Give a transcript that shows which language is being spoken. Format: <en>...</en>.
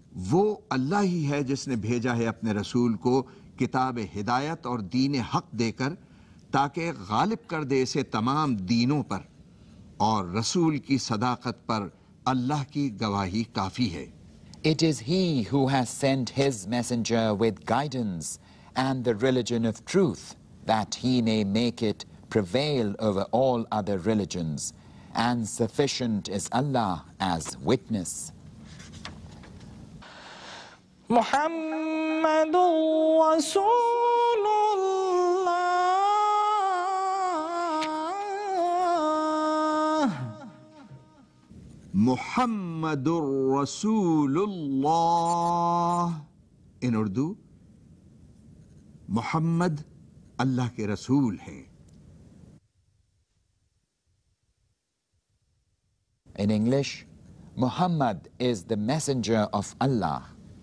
<ur>وہ اللہ ہی ہے جس نے بھیجا ہے اپنے رسول کو کتاب ہدایت اور دین حق دے کر تاکہ غالب کر دے اسے تمام دینوں پر، اور رسول کی صداقت پر اللہ کی گواہی کافی ہے.</ur> <en>It is he who has sent his messenger with guidance and the religion of truth, that he may make it prevail over all other religions, and sufficient is Allah as witness.</en> <ar>Muhammadur Rasulullah. Muhammadur Rasulullah.</ar> <en>In Urdu,</en> <ur>محمد اللہ کے رسول ہیں.</ur> <en>In English, Muhammad is the messenger of Allah.</en>